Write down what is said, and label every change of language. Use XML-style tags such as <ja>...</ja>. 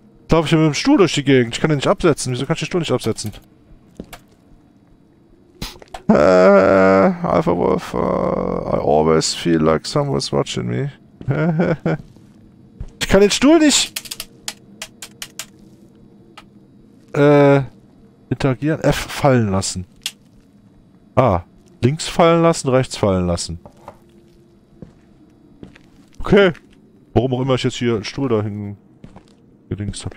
<de>Lauf ich mit dem Stuhl durch die Gegend? Ich kann den nicht absetzen. Wieso kann ich den Stuhl nicht absetzen?</de> <en>Alpha Wolf, I always feel like someone's watching me.</en> <de>Ich kann den Stuhl nicht... interagieren. F fallen lassen. Ah, links fallen lassen, rechts fallen lassen. Okay. Warum auch immer ich jetzt hier einen Stuhl dahin gedingst habe.</de>